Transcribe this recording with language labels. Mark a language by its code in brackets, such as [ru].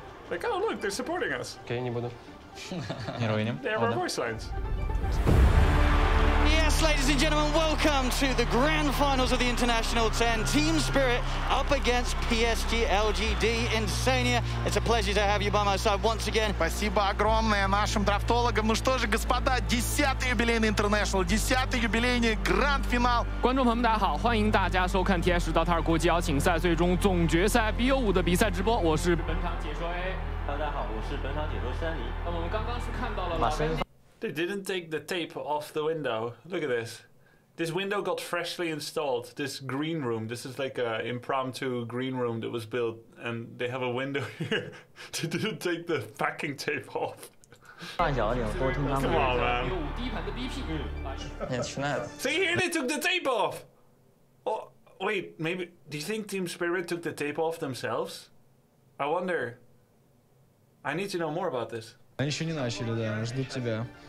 [en] Like, oh, look, they're supporting us. Okay, I'm not. They have our voice lines. Yes, ladies and gentlemen, welcome to the grand finals of the International 10. Team Spirit up against PSG LGD Insania. It's a pleasure to have you by my side once again. [ru] Спасибо огромное нашим драфтологам. Ну что же, господа, 10-й юбилейный International, 10-й юбилейный гранд финал. [zh] 观众朋友们大家好, 欢迎大家收看 TS Dota 国际邀请赛最终总决赛 BO5 的比赛直播。我是本场解说A。大家好，我是本场解说山里。那么我们刚刚是看到了老师。 [en] They didn't take the tape off the window. Look at this. This window got freshly installed. This green room. This is like a impromptu green room that was built. And they have a window here. They didn't take the packing tape off. Come on, man. See, here they took the tape off. Oh, wait, maybe. Do you think Team Spirit took the tape off themselves? I wonder. I need to know more about this. [ru] Они еще не начали, да, ждут тебя.